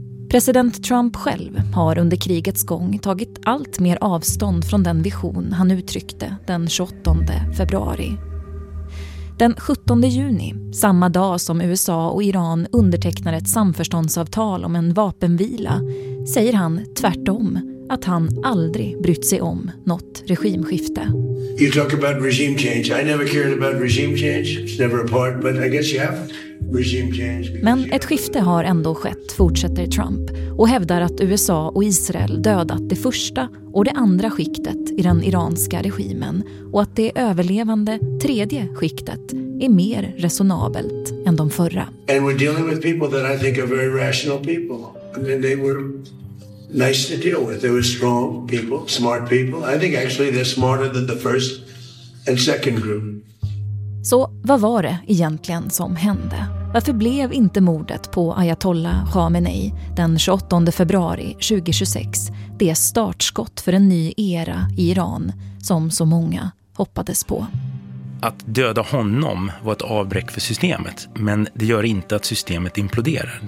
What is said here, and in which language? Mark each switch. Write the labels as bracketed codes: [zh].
[sv] President Trump själv har under krigets gång tagit allt mer avstånd från den vision han uttryckte den 28 februari. Den 17 juni, samma dag som USA och Iran undertecknar ett samförståndsavtal om en vapenvila, säger han tvärtom att han aldrig brytt sig om något regimskifte. [en] You talk about regime change. I never cared about regime change. It's never a part, but I guess you have regime change. [sv] Men ett skifte har ändå skett, fortsätter Trump, och hävdar att USA och Israel dödat det första och det andra skiktet i den iranska regimen och att det överlevande tredje skiktet är mer resonabelt än de förra. [en] And we're dealing with people that I think are very rational people. And then they were nice to deal with. They were strong people, smart people. I think actually they're smarter than the first and second group. [sv] Så vad var det egentligen som hände? Varför blev inte mordet på Ayatollah Khamenei den 28 februari 2026 det startskott för en ny era i Iran som så många hoppades på? Att döda honom var ett avbräck för systemet, men det gör inte att systemet imploderar.